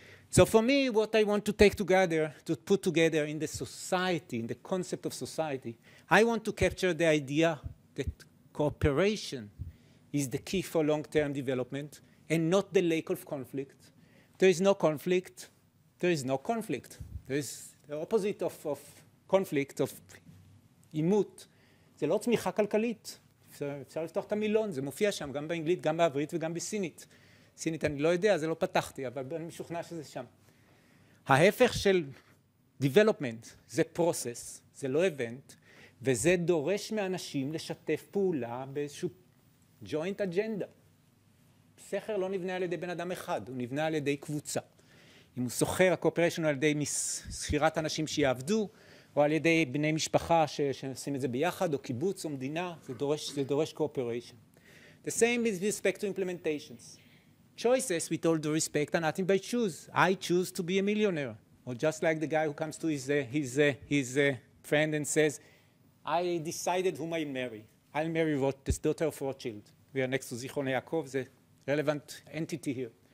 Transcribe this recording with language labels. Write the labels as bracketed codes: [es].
[en] So for me, what I want to take together, to put together in the society, in the concept of society, I want to capture the idea that cooperation is the key for long-term development and not the lack of conflict. There is no conflict. There is no conflict. There is the opposite of conflict, of imut. [he] זה לא צמיחה כלכלית. אפשר לפתוח את המילון, זה מופיע שם, גם באנגלית, גם בעברית וגם בסינית. סינית אני לא יודע, זה לא פתחתי, אבל אני משוכנע שזה שם. ההפך של development זה process, זה לא event, וזה דורש מאנשים לשתף פעולה באיזשהו joint agenda. סכר לא נבנה על ידי בן אדם אחד, הוא נבנה על ידי קבוצה. אם הוא סוחר, הקואופרשן הוא על ידי שכירת אנשים שיעבדו, או על ידי בני משפחה שעושים את זה ביחד, או קיבוץ או מדינה, זה דורש קואופרשן. [en] The same with respect to implementations. Choices, with all due respect, are nothing but choose. I choose to be a millionaire. Or just like the guy who comes to his friend and says, I decided whom I marry. I'll marry this daughter of Rothschild. We are next to Zichron Yaakov, the relevant entity here.